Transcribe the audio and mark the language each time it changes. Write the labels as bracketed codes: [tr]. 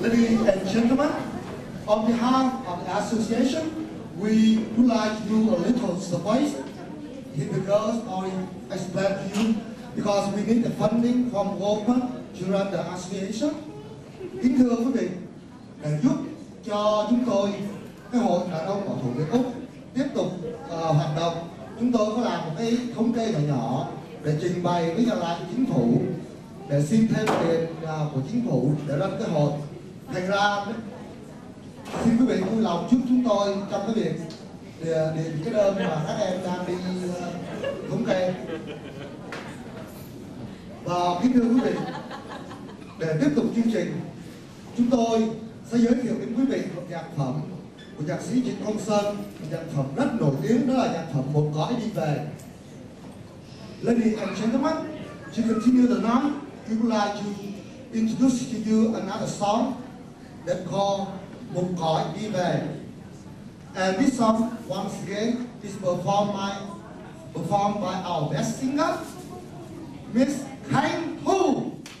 [en] Ladies and gentlemen, on behalf of the association, we would like to do a little surprise. The girls are expecting you because we need the funding from open to run the association. [vi] Kính thưa quý vị, để giúp cho chúng tôi, cái hội đàn ông bảo thủ Việt Úc tiếp tục hoạt động, chúng tôi có làm một cái thống kê nhỏ để trình bày với nhà lãnh chính phủ để xin thêm tiền của chính phủ để lập cái hội. Thành ra xin quý vị vui lòng giúp chúng tôi trong cái việc điền cái đơn mà các em đang đi thống kê. Và kính thưa quý vị, để tiếp tục chương trình, chúng tôi sẽ giới thiệu đến quý vị một nhạc phẩm của nhạc sĩ Trịnh Công Sơn, một nhạc phẩm rất nổi tiếng, đó là nhạc phẩm Một Gói Đi Về. [en] ladies and gentlemen, to continue the night, we would like to introduce to you another song that called Mong Khoi Đi Về. And this song, once again, is performed by our best singer, Miss Kang Thu.